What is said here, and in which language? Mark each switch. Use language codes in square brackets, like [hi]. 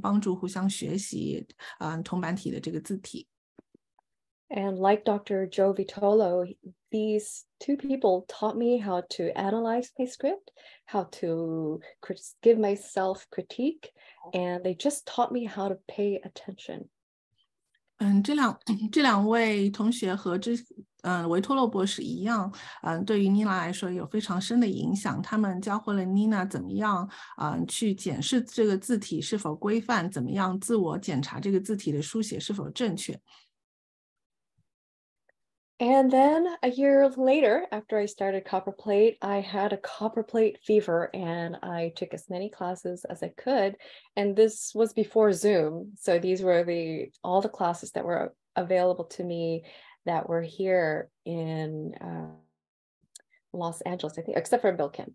[zh] 这里另外两位朋友，一位是叫Andrew，还有一位是叫Judy。他们可能并不是传统意义上妮娜的老师，但是他这两位也是对妮娜在英文书法上帮助非常大的人。他们在2015年创建了一个学习小组，在这个学习小组中，他们互相帮助，互相学习，铜板体的这个字体。 [en] And like Dr. Joe Vitolo, these two people taught me how to analyze my script, how to give myself critique, and they just taught me how to pay attention. [zh] 这两位同学和维托洛博士一样，对于妮娜来说有非常深的影响。他们教会了妮娜怎么样去检视这个字体是否规范，怎么样自我检查这个字体的书写是否正确。 [en] And then a year later, after I started Copperplate, I had a Copperplate fever and I took as many classes as I could. And this was before Zoom. So these were all the classes that were available to me that were here in Los Angeles, I think, except for Bootcamp.